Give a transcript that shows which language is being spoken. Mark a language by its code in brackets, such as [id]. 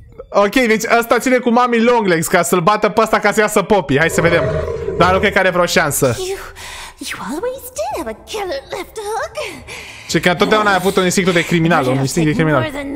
[ro] Ok, deci ăsta ține cu mami Longlegs ca să-l bată pe ăsta ca să iasă Poppy. Hai să vedem. Dar nu cred că are vreo șansă. [en] You always did have a killer left hook. [ro] Și că întotdeauna ai avut un instinct de criminal, un instinct de criminal.